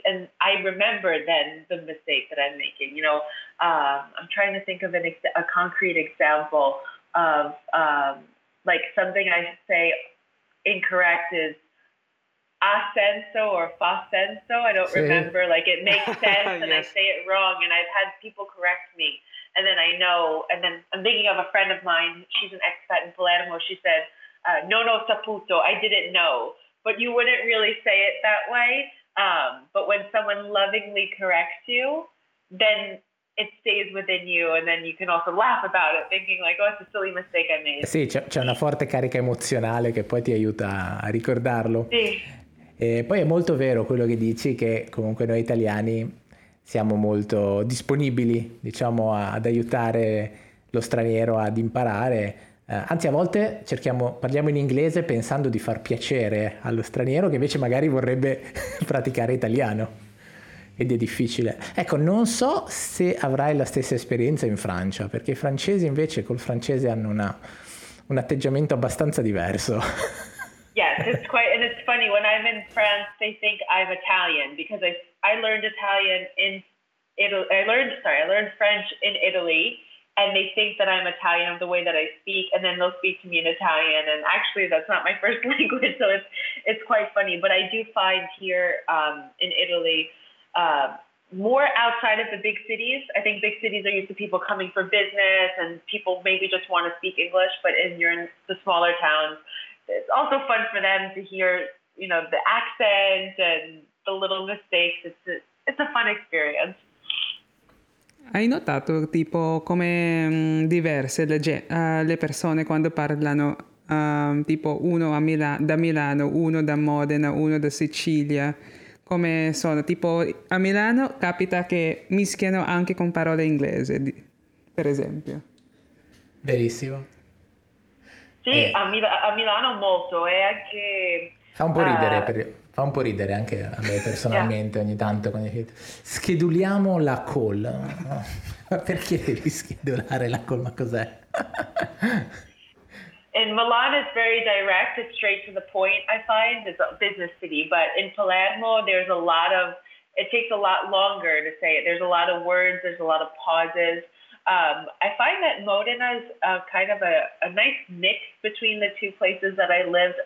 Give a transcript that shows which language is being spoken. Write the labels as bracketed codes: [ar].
[en] And I remember then the mistake that I'm making. You know, I'm trying to think of a concrete example of like something I say incorrect is, senso or [it] fa senso, [en] I don't remember, like it makes sense and yes. I say it wrong and I've had people correct me and then I know, and then I'm thinking of a friend of mine, she's an expat in Palermo, she said, [it] non ho saputo, [en] I didn't know, but you wouldn't really say it that way, but when someone lovingly corrects you, then it stays within you and then you can also laugh about it, thinking like, oh, it's a silly mistake I made. [it] Sì, c'è una forte carica emozionale che poi ti aiuta a ricordarlo. Sì. E poi è molto vero quello che dici, che comunque noi italiani siamo molto disponibili, diciamo, ad aiutare lo straniero ad imparare. Anzi, a volte parliamo in inglese pensando di far piacere allo straniero che invece magari vorrebbe praticare italiano. Ed è difficile. Ecco, non so se avrai la stessa esperienza in Francia, perché i francesi invece col francese hanno un atteggiamento abbastanza diverso. [en] Yes, it's quite, and it's funny, when I'm in France, they think I'm Italian, because I learned Italian in Italy, I learned French in Italy, and they think that I'm Italian the way that I speak, and then they'll speak to me in Italian, and actually that's not my first language, so it's quite funny, but I do find here in Italy, more outside of the big cities, I think big cities are used to people coming for business, and people maybe just want to speak English, but you're in the smaller towns. It's also fun for them to hear, you know, the accent and the little mistakes. It's a fun experience. [it] Hai notato tipo come diverse le persone quando parlano, tipo uno da Milano, uno da Modena, uno da Sicilia, come sono? Tipo a Milano capita che mischiano anche con parole inglese, per esempio. Verissimo. Sì, a Milano molto, e anche... Fa un po' ridere, fa un po' ridere anche a me personalmente ogni tanto. Quando scheduliamo la call. Ma perché devi schedulare la call? Ma cos'è? [en] In Milan is very direct, it's straight to the point, I find. It's a business city, but in Palermo there's a lot of... It takes a lot longer to say it. There's a lot of words, there's a lot of pauses. I find that Modena is kind of a nice mix between the two places that I lived.